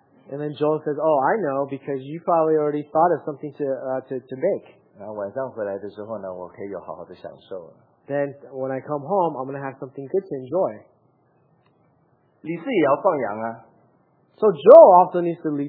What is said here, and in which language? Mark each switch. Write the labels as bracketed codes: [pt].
[en] And then Joel says, oh, I know, because you probably already thought of something to make. [zh] 然后晚上回来的时候呢，我可以有好好的享受。Then [en] when I come home, I'm gonna have something good to enjoy. [zh] 李四也要放羊啊 [en] So Joe also needs to lead